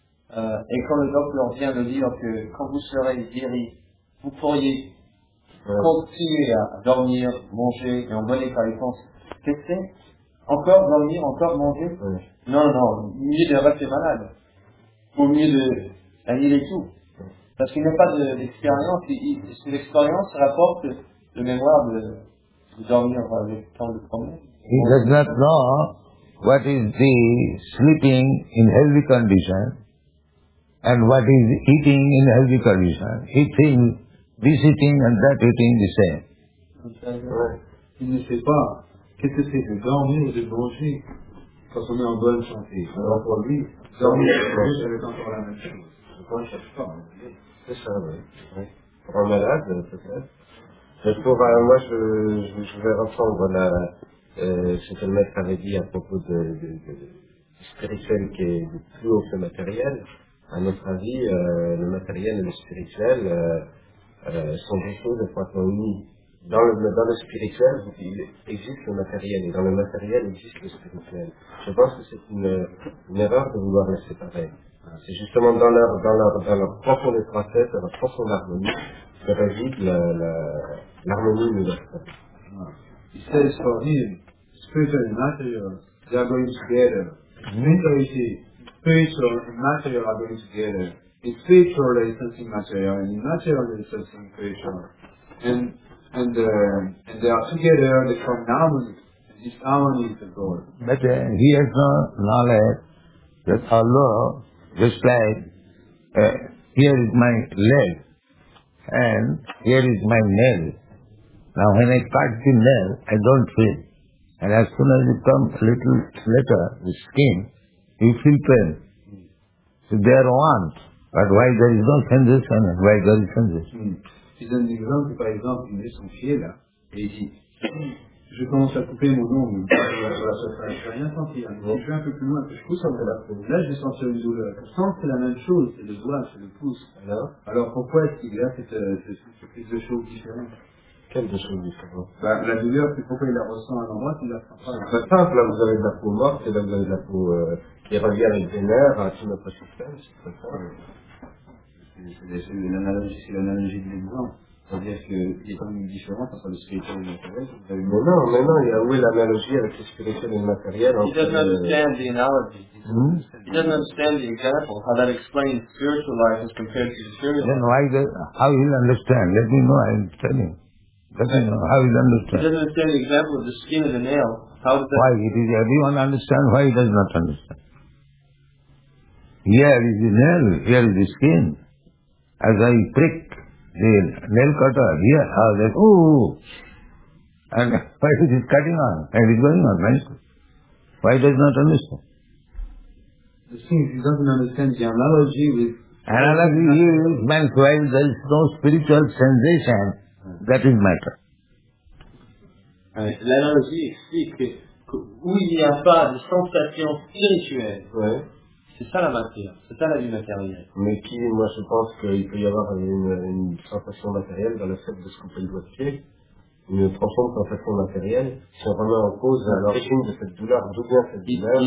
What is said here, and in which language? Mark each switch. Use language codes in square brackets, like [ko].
[fr] Et quand le docteur vient de dire que quand vous serez guéri, vous pourriez continuer à dormir, manger et en bonne état, il pense, qu'est-ce que c'est ? Encore dormir, encore manger ? Non, mieux de rester malade. Au mieux de annuler tout. Parce qu'il n'y a pas d'expérience, l'expérience rapporte le mémoire de dormir le temps de promener. [en] He does not know what is the sleeping in healthy condition and what is eating in healthy condition. He thinks this eating and that eating the same. [fr] Il ne sait pas qu'est-ce que c'est de dormir ou de manger quand on est en bonne santé. Alors pour lui, dormir et manger, c'est encore la même chose. Pourquoi il cherche pas à manger? C'est ça, oui. Pour un malade, peut-être. Je vais reprendre ce que le maître avait dit à propos du spirituel qui est de plus haut que le matériel. À notre avis, le matériel et le spirituel sont des choses qui sont unies. Dans le spirituel, il existe le matériel, et dans le matériel existe le spirituel. Je pense que c'est une erreur de vouloir les séparer. C'est justement dans leur profonde étroitesse, dans leur profonde harmonie, que réside l'harmonie de la terre. He says for him, spiritual and material, they are going together. Mentality, spiritual and material are going together. In spiritual, there is something material, and in material, there is something spiritual. And they are together, they form an harmony. This harmony is the goal. But he has no knowledge that Allah, just like, here is my leg, and here is my nail. Now when I cut the nail, I don't feel. And as soon as it comes a little later, the skin, you feel pain. So they are one. But why there is no sensation, and why there is sensation? Mm. Je donne l'exemple, par exemple, il met son pied là, et il dit, je commence à couper mon ongle, sur la surface, je n'ai rien senti, hein. Mais je suis un peu plus loin, je pousse encore la peau. Là, je vais sentir une douleur. Je sens que c'est la même chose, c'est le doigt, c'est le pouce. Alors pourquoi est-ce qu'il y a cette prise de choses différentes? Quelle de choses différentes? Bah, la douleur, c'est pourquoi il la ressent à l'endroit qu'il la sent pas. C'est très simple, là, vous avez de la peau morte, et là, vous avez de la peau qui revient avec des nerfs, qui n'a pas souffert, c'est très fort. C'est l'analogie de l'exemple. C'est-à-dire qu'il y a une différence entre le spirituel et le matériel. Mais non. Il y a où est l'analogie avec le spirituel et le matériel? [en] He doesn't understand the analogy. Hmm? He doesn't understand the example, how that explains spiritual life as compared to the spiritual. Then why the, how he'll understand? Let me know, I'm telling. Let me know how he'll understand. He doesn't understand the example of the skin and the nail. How does that... Why? Does everyone understand? Why he does not understand? Here is the nail, here is the skin. As I prick the nail cutter here, I was like, oh, and why is it cutting on? And it's going on, right? Why does not understand? You see, if he doesn't understand the analogy with... Analogy is, man, why there is no spiritual sensation, that is matter. [fr] L'analogie explique que où il n'y a pas de sensation spirituelle, ouais. C'est ça la matière, c'est ça la vie matérielle. Mais qui, moi, je pense qu'il peut y avoir une sensation matérielle dans le fait de se couper le doigt de pied, une profonde sensation matérielle, si on remet en cause l'origine de cette douleur, d'où vient cette douleur.